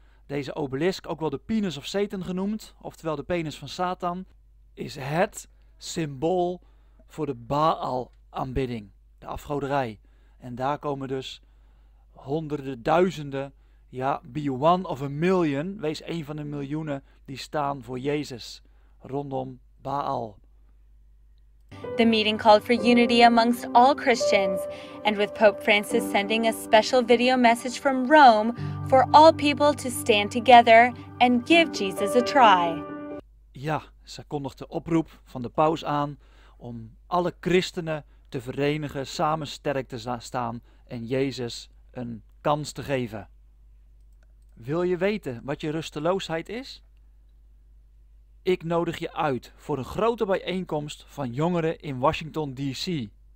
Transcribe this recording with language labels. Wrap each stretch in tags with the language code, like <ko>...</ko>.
<nl>Deze obelisk, ook wel de penis of Satan genoemd, oftewel de penis van Satan, is het symbool voor de Baal-aanbidding, de afgoderij. En daar komen dus honderden, duizenden, ja,</nl> <en>be one of a million,</en> <nl>wees een van de miljoenen die staan voor Jezus rondom Baal.</nl> <en>The meeting called for unity amongst all Christians, and with Pope Francis sending a special video message from Rome for all people to stand together and give Jesus a try.</en> <nl>Ja, ze kondigt de oproep van de paus aan om alle christenen te verenigen, samen sterk te staan en Jezus een kans te geven. Wil je weten wat je rusteloosheid is? Ik nodig je uit voor een grote bijeenkomst van jongeren in Washington DC.</nl>